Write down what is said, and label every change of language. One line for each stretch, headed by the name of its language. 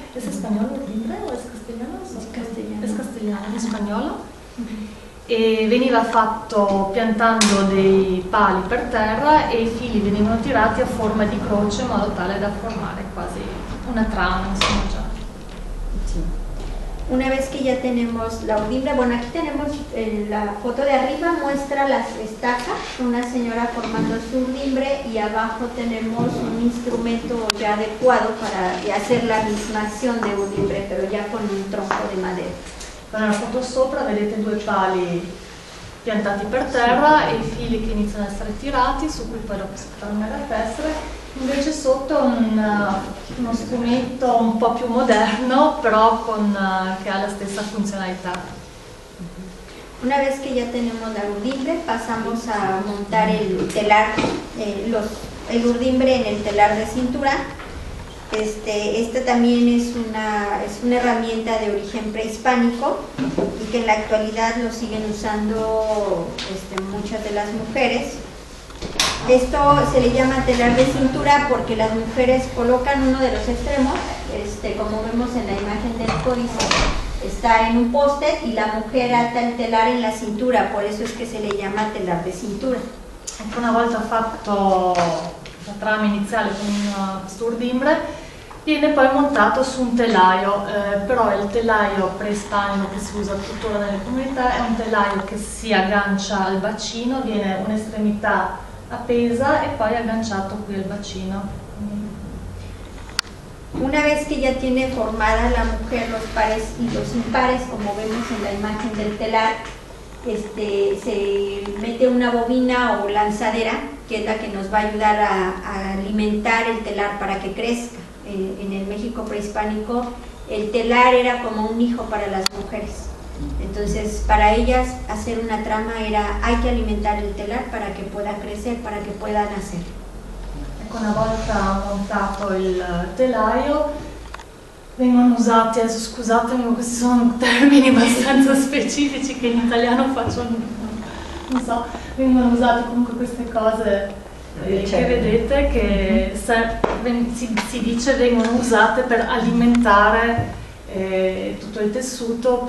Italian: È spagnolo urdimbre o è castigliano? Castigliano. È castigliano, in spagnolo. E veniva fatto piantando dei pali per terra e i fili venivano tirati a forma di croce in modo tale da formare quasi una trama, insomma. Già.
Spanish: Una vez que ya tenemos la urdimbre, bueno, aquí tenemos la foto de arriba, muestra la estaca, una señora formando su urdimbre, y abajo tenemos un instrumento ya adecuado para hacer la misma acción de urdimbre, pero ya con un tronco de madera.
Italian: Bueno, la foto sopra, vedete due pali piantati per terra, sì. E i fili che iniziano a essere tirati, su cui poi dopo si può tornare a tessere. Invece sotto uno strumento un po' più moderno, però che ha la stessa funzionalità.
Spanish: Una vez que ya tenemos la urdimbre, pasamos a montar el telar, el urdimbre en el telar de cintura. Esta también es una herramienta de origen prehispánico y que en la actualidad lo siguen usando muchas de las mujeres. Esto se le llama telar de cintura porque las mujeres colocan uno de los extremos, como vemos en la imagen del códice, está en un poste y la mujer ata el telar en la cintura, por eso es que se le llama telar de cintura.
Italian: Una volta fatto la trama iniziale con questo urdimbre, viene poi montato su un telaio, però il telaio preistagno che si usa tuttora nelle comunità è un telaio che si aggancia al bacino, viene un'estremità appesa e poi agganciato qui al bacino.
Spanish: Una vez que ya tiene formada la mujer los pares y los impares, como vemos en la imagen del telar, se mete una bobina o lanzadera, que es la que nos va a ayudar a alimentar el telar para que crezca. En el México prehispánico, el telar era como un hijo para las mujeres. Entonces, para ellas, hacer una trama era, hay que alimentar el telar para que pueda crecer, para que pueda nacer.
Italian: Una volta montato il telaio, vengono usati, adesso scusatemi, ma questi sono termini abbastanza specifici che in italiano faccio, non so, vengono usate comunque queste cose che vedete, che si dice vengono usate per alimentare tutto il tessuto.